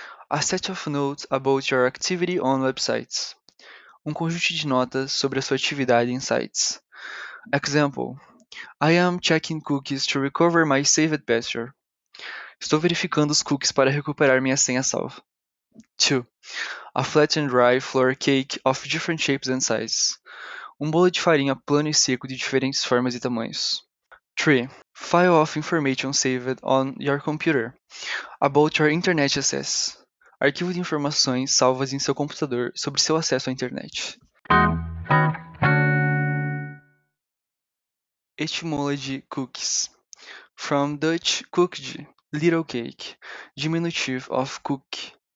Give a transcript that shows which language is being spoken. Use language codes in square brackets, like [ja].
[en] A set of notes about your activity on websites. [pt] Um conjunto de notas sobre a sua atividade em sites. [en] Example. I am checking cookies to recover my saved password. [pt] Estou verificando os cookies para recuperar minha senha salva. [en] 2. A flat and dry flour cake of different shapes and sizes. [pt] Um bolo de farinha plano e seco de diferentes formas e tamanhos. [en] 3. File of information saved on your computer about your internet access. [pt] Arquivo de informações salvas em seu computador sobre seu acesso à internet. [en] Etimology cookies. From Dutch cookie, little cake, diminutive of cookie.